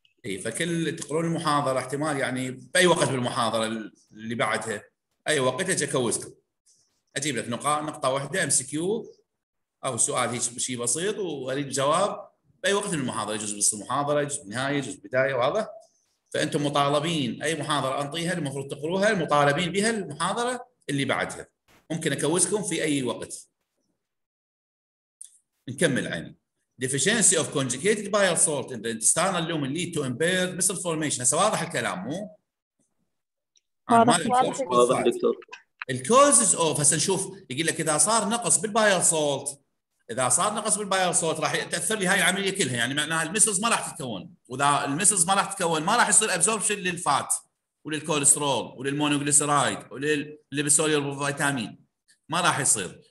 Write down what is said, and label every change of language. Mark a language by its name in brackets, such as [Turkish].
[Arabic] اي فكل تقرون المحاضره احتمال يعني باي وقت بالمحاضره اللي بعدها اي وقت اجي اكوزكم اجيب لك نقطه واحده ام سي كيو او سؤال هيك شيء بسيط واريد جواب باي وقت من المحاضره يجوز بنص المحاضره يجوز بالنهايه يجوز بدايه واضح. فانتم مطالبين اي محاضره انطيها المفروض تقروها المطالبين بها المحاضره اللي بعدها ممكن اكوزكم في اي وقت. نكمل عيني. [English] Deficiency of conjugated bile salt in the intestinal lumen lead to impaired missile formation. [Arabic] هسه واضح الكلام مو؟ واضح دكتور. [English] The causes of [Arabic] هسه نشوف يقول لك إذا صار نقص بالbile salt إذا صار نقص بالbile salt راح يتأثر لي هاي العملية كلها يعني معناها المسلز ما راح تتكون وإذا المسلز ما راح تتكون ما راح يصير absorption للفات وللكوليسترول وللمونوغليسرايد وللليبسوليوبل فيتامين ما راح يصير.